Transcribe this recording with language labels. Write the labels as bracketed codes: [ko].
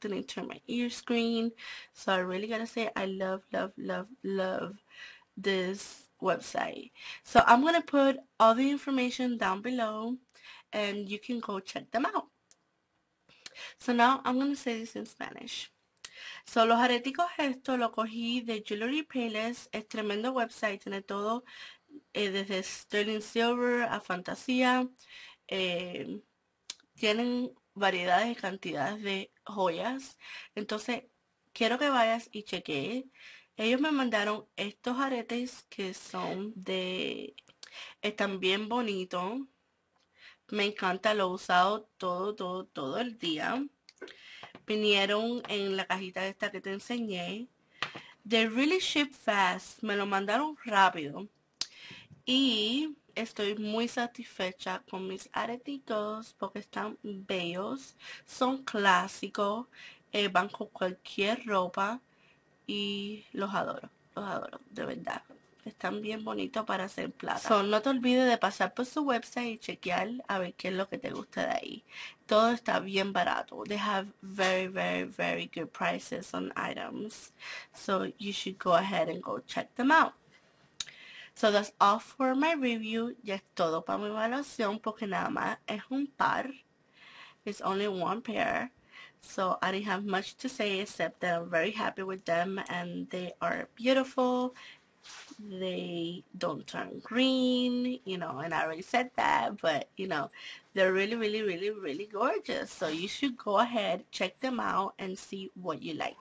[en] Then I turn my ears green. So I really gotta say I love, love, love, love this website. So I'm gonna put all the information down below and you can go check them out. So now I'm gonna say this in Spanish. [es] So los areticos estos los cogí de Jewelry Payless. Es tremendo website. Tiene todo desde sterling silver a fantasía. Tienen variedades y cantidades de joyas. Entonces, quiero que vayas y chequee. Ellos me mandaron estos aretes que son de... Están bien bonitos. Me encanta, lo he usado todo, todo, todo el día. Vinieron en la cajita esta que te enseñé. [en] They really ship fast. [es] Me lo mandaron rápido. Y... estoy muy satisfecha con mis areticos porque están bellos, son clásicos, van con cualquier ropa y los adoro, de verdad. Están bien bonitos para hacer plata. So, no te olvides de pasar por su website y chequear a ver qué es lo que te gusta de ahí. Todo está bien barato. [en] They have very, very, very good prices on items. So you should go ahead and go check them out. So that's all for my review. [es] Ya es todo para mi evaluación porque nada más es un par. [en] It's only one pair. So I didn't have much to say except that I'm very happy with them and they are beautiful. They don't turn green, you know, and I already said that, but you know, they're really, really, really, really gorgeous. So you should go ahead, check them out and see what you like.